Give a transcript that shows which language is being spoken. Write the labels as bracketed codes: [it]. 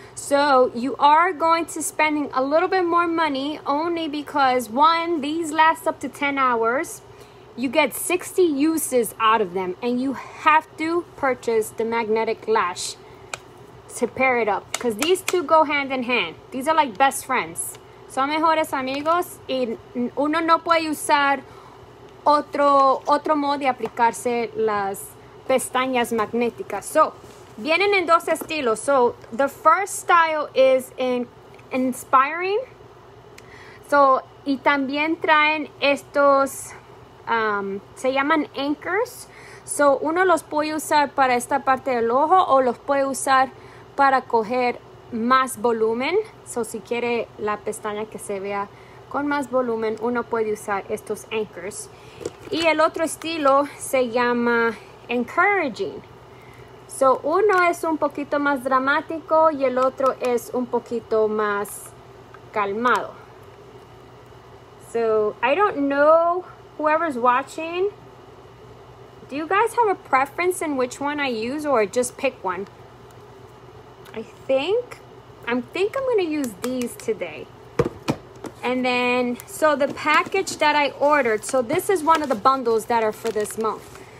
[en] So, you are going to spend a little bit more money only because, one, these last up to 10 hours. You get 60 uses out of them, and you have to purchase the magnetic lash to pair it up. Because these two go hand in hand. These are like best friends. [es] Son mejores amigos, y uno no puede usar otro modo de aplicarse las pestañas magnéticas. [en] So, [es] vienen en dos estilos. [en] So, the first style is inspiring. [es] So, y también traen estos, se llaman anchors. So, uno los puede usar para esta parte del ojo o los puede usar para coger más volumen. So, si quiere la pestaña que se vea con más volumen, uno puede usar estos anchors. Y el otro estilo se llama encouraging. So, uno es un poquito más dramático y el otro es un poquito más calmado. [en] So, I don't know, whoever's watching, do you guys have a preference in which one I use or just pick one? I think I'm going to use these today. And then, so the package that I ordered, so this is one of the bundles that are for this month.